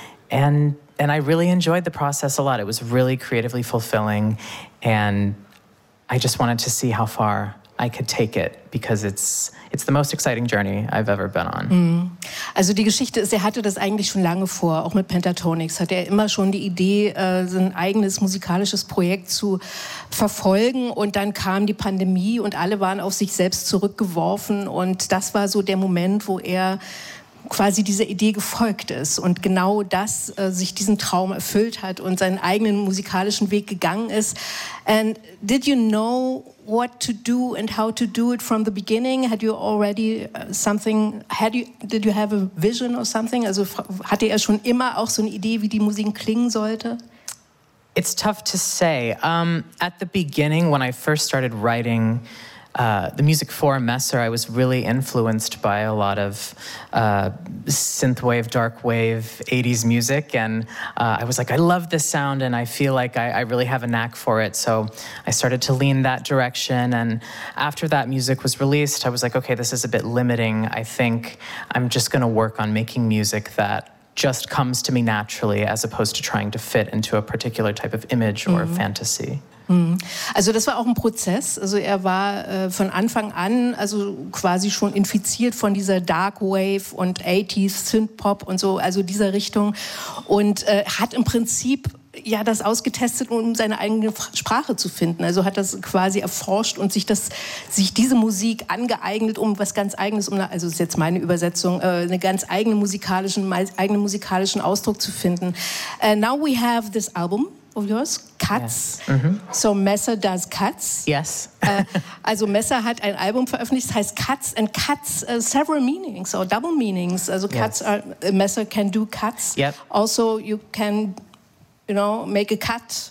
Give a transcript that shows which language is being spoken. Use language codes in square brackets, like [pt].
[en] And I really enjoyed the process a lot. It was really creatively fulfilling, and I just wanted to see how far I could take it, because it's the most exciting journey I've ever been on. [de] Also die Geschichte ist, er hatte das eigentlich schon lange vor, auch mit Pentatonix hatte er immer schon die Idee, sein eigenes musikalisches Projekt zu verfolgen, und dann kam die Pandemie und alle waren auf sich selbst zurückgeworfen, und das war so der Moment, wo er quasi dieser Idee gefolgt ist und genau das sich diesen Traum erfüllt hat und seinen eigenen musikalischen Weg gegangen ist. [en] And did you know what to do and how to do it from the beginning? Had you already something, did you have a vision or something? [de] Also hatte er schon immer auch so eine Idee, wie die Musik klingen sollte? [en] It's tough to say. At the beginning, when I first started writing the music for Messer, I was really influenced by a lot of synthwave, darkwave, 80s music, and I was like, I love this sound, and I feel like I really have a knack for it, so I started to lean that direction, and after that music was released, I was like, okay, this is a bit limiting. I think I'm just going to work on making music that just comes to me naturally, as opposed to trying to fit into a particular type of image or fantasy. [de] Also das war auch ein Prozess. Also er war von Anfang an also quasi schon infiziert von dieser Dark Wave und 80s Synthpop und so, also dieser Richtung, und hat im Prinzip ja das ausgetestet, um seine eigene Sprache zu finden. Also hat das quasi erforscht und sich diese Musik angeeignet, um was ganz Eigenes, also ist jetzt meine Übersetzung, einen ganz eigenen musikalischen Ausdruck zu finden. [en] Now we have this album of yours, Cuts. Yes. Mm-hmm. So Messer does Cuts. Yes. [de] also Messer hat ein Album veröffentlicht, das heißt Cuts, [en] and Cuts several meanings or double meanings. Also Cuts, yes. Messer can do Cuts. Yep. Also you can, you know, make a cut.